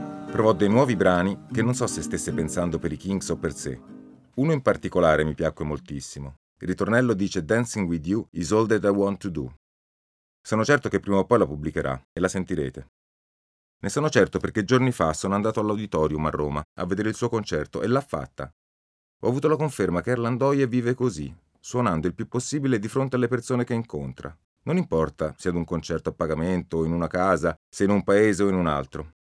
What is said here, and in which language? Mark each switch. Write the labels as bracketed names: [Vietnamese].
[Italian] Provò dei nuovi brani che non so se stesse pensando per i Kings o per sé. Uno in particolare mi piacque moltissimo. Il ritornello dice [English] Dancing with you is all that I want to do. [Italian] Sono certo che prima o poi la pubblicherà e la sentirete. Ne sono certo perché giorni fa sono andato all'Auditorium a Roma a vedere il suo concerto e l'ha fatta. Ho avuto la conferma che Erland Oje vive così, suonando il più possibile di fronte alle persone che incontra. Non importa se ad un concerto a pagamento o in una casa, se in un paese o in un altro.